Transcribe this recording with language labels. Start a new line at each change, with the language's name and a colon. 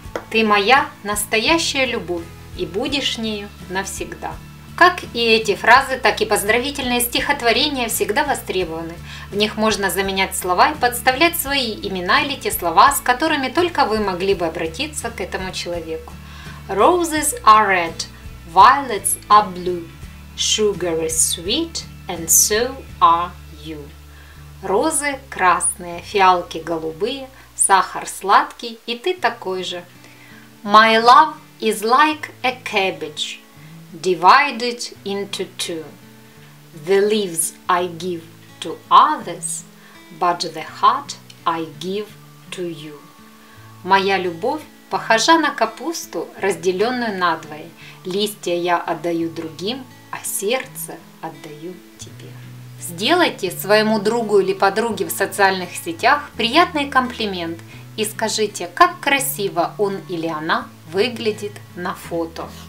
Russian: Ты моя настоящая любовь и будешь нею навсегда. Как и эти фразы, так и поздравительные стихотворения всегда востребованы. В них можно заменять слова и подставлять свои имена или те слова, с которыми только вы могли бы обратиться к этому человеку.
English: Roses are red, violets are blue, sugar is sweet, and so are you.
Russian: Розы красные, фиалки голубые, сахар сладкий, и ты такой же.
English: My love is like a cabbage, divided into two. The leaves I give to others, but the heart I give to you.
Russian: Моя любовь похожа на капусту, разделенную надвое. Листья я отдаю другим, а сердце отдаю тебе. Сделайте своему другу или подруге в социальных сетях приятный комплимент и скажите, как красиво он или она выглядит на фото.